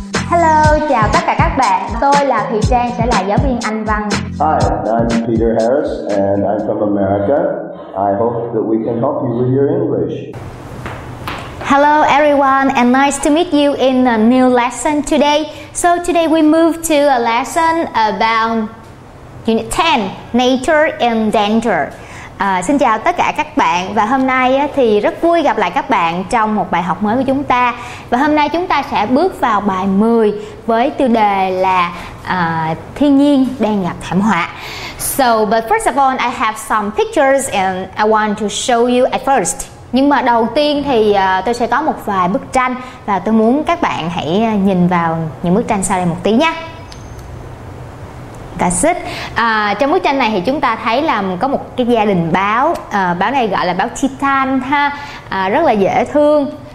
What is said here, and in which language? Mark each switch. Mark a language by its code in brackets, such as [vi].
[vi] Hello, chào tất cả các bạn. Tôi là Thùy Trang, sẽ là giáo viên Anh văn. [en] Hi, I'm Peter Harris and I'm from America. I hope that we can help you with your English. Hello everyone and nice to meet you in a new lesson today. So today we move to a lesson about Unit 10, Nature in Danger. [vi] Xin chào tất cả các bạn và hôm nay thì rất vui gặp lại các bạn trong một bài học mới của chúng ta. Và hôm nay chúng ta sẽ bước vào bài 10 với tiêu đề là Thiên nhiên đang gặp thảm họa. [en] So, but first of all, I have some pictures and I want to show you at first. [vi] Nhưng mà đầu tiên thì tôi sẽ có một vài bức tranh và tôi muốn các bạn hãy nhìn vào những bức tranh sau đây một tí nha. [en] That's it. [vi] Trong bức tranh này thì chúng ta thấy là có một cái gia đình báo, báo này gọi là báo Titan ha, rất là dễ thương.